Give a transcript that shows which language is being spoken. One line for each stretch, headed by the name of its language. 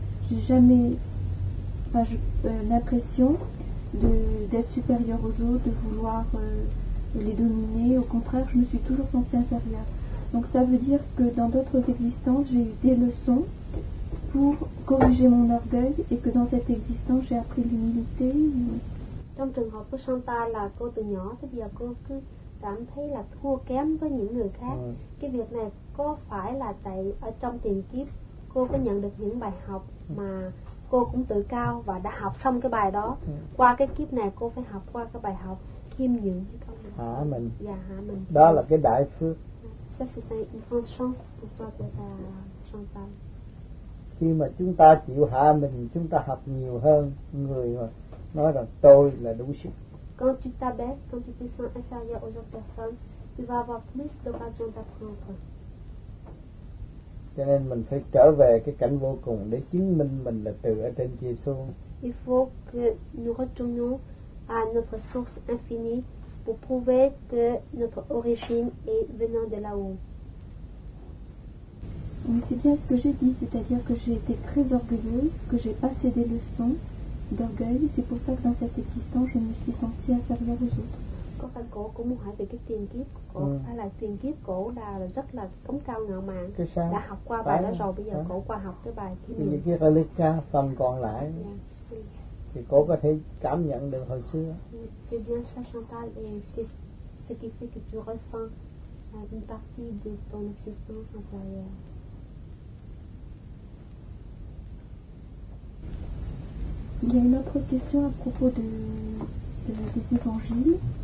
French: J'ai jamais l'impression d'être supérieure aux autres, de vouloir les dominer, au contraire, je me suis toujours sentie inférieure. Donc ça veut dire que dans d'autres existences, j'ai eu des leçons pour corriger mon orgueil et que dans cette existence, j'ai appris l'humilité.
Vietnamese: Trong trường hợp của Santa là cô từ nhỏ tới giờ cô cứ cảm thấy là thua kém với những người khác. Cái việc này có phải là tại ở trong tiền kiếp cô có nhận được những bài học mà cô cũng tự cao và đã học xong cái bài đó. Qua cái kiếp này cô phải học qua cái bài học khiêm nhường hay không? Hả mình. Dạ hả mình. Đó là cái đại phước.
French: Ça c'est une grande chance pour toi de la Chantal.
Vietnamese: Khi mà chúng ta chịu hạ mình, chúng ta học nhiều hơn người mà nói rằng tôi là đủ sức.
French: Quand tu t'abaisses, quand tu te sens inférieur aux autres personnes, tu vas avoir plus d'occasion d'apprendre.
Vietnamese: Cho nên mình phải trở về cái cảnh vô cùng để chứng minh mình là từ ở trên kia xuống.
French: Il faut que nous retournions à notre source infinie pour prouver que notre origine est venant de là-haut. Mais c'est bien ce que j'ai dit, c'est-à-dire que j'ai été très orgueilleuse, que j'ai passé des leçons d'orgueil, c'est pour ça que dans cette existence je me suis sentie inférieure aux autres.
Vietnamese: Có phải cổ cũng muốn hỏi về cái tiền kiếp cổ hay là tiền kiếp cổ là rất là cống cao ngạo mạn, đã học qua bài đó rồi, bây giờ cổ qua học cái bài kia. Những cái relic phần còn lại thì cổ có thể cảm nhận được hồi xưa.
French: C'est bien ça Chantal, et c'est ce qui fait que tu ressens une partie de ton existence antérieure. Il y a une autre question à propos des évangiles.